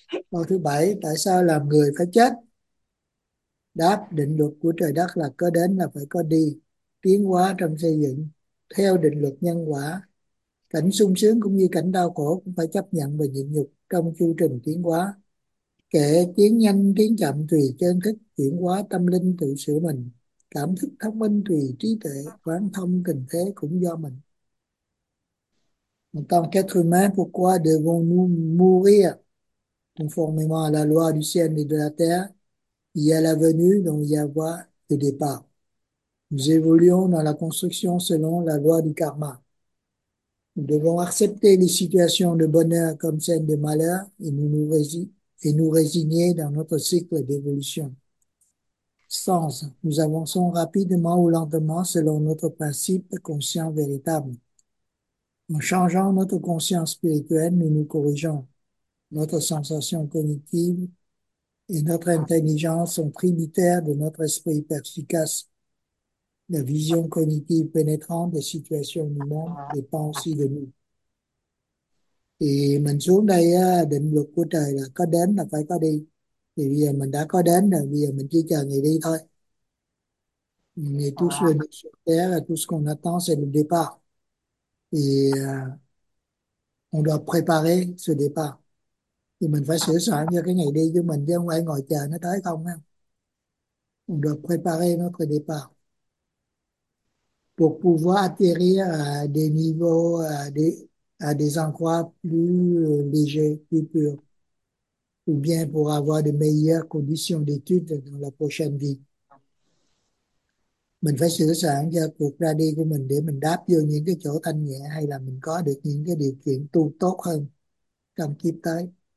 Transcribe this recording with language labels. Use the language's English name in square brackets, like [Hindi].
[Vietnamese] Câu thứ bảy, tại sao làm người phải chết? Đáp, định luật của trời đất là có đến là phải có đi, tiến hóa trong xây dựng, theo định luật nhân quả. Cảnh sung sướng cũng như cảnh đau khổ cũng phải chấp nhận và nhịn nhục trong chu trình tiến hóa. Kệ tiến nhanh tiến chậm tùy chân thức, chuyển hóa tâm linh tự sửa mình, cảm thức thông minh tùy trí tuệ, quán thông tình thế cũng do mình. [French] En tant qu'être humain, pourquoi devons-nous mourir? Conformément à la loi du ciel et de la terre, il y a la venue dont il y a voie de départ. Nous évoluons dans la construction selon la loi du karma. Nous devons accepter les situations de bonheur comme celles de malheur et nous résigner dans notre cycle d'évolution. Sens, nous avançons rapidement ou lentement selon notre principe conscient véritable. En changeant notre conscience spirituelle, nous nous corrigeons. Notre sensation cognitive et notre intelligence sont tributaires de notre esprit perspicace. La vision cognitive pénétrante des situations du monde dépend aussi de nous. [Vietnamese] thì mình xuống đây định luật của trời là có đến là phải có đi, thì bây giờ mình đã có đến rồi, bây giờ mình chỉ chờ ngày đi thôi. [French] Ngày tous les nous sur terre et tout ce qu'on attend c'est le départ. Et on doit préparer ce départ. [Vietnamese] Thì mình phải sửa soạn cho cái ngày đi cho mình chứ không phải ngồi chờ nó tới không ha. [French] On doit préparer notre départ. Pour pouvoir atterrir à des endroits plus légers, plus purs. Ou bien pour avoir de meilleures conditions d'études dans la prochaine vie. [Vietnamese] Mình phải sửa soạn cho cuộc ra đi của mình để mình đáp vô những cái chỗ thanh nhẹ hay là mình có được những cái điều kiện tu tốt hơn trong kiếp tới.